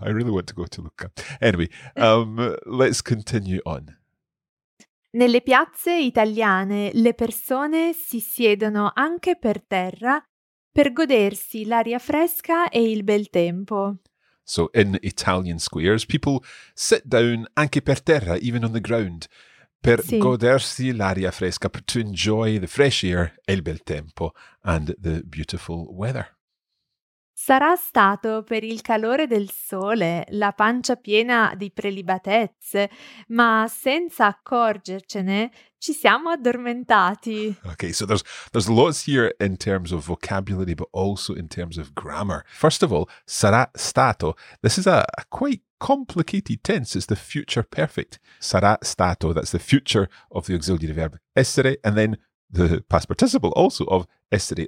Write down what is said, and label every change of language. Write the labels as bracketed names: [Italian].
[English] I really want to go to Lucca. Anyway, let's continue on. [Italian] Nelle piazze italiane le persone si siedono anche per terra per godersi l'aria fresca e il bel tempo. [English] So in Italian squares, people sit down anche per terra, even on the ground, per sì. godersi l'aria fresca, to enjoy the fresh air e il bel tempo and the beautiful weather. [Italian] Sarà stato per il calore del sole, la pancia piena di prelibatezze, ma senza accorgercene ci siamo addormentati. [English] Okay, so there's lots here in terms of vocabulary, but also in terms of grammar. First of all, sarà stato. This is a quite complicated tense. It's the future perfect. Sarà stato, that's the future of the auxiliary verb essere, and then the past participle also of essere.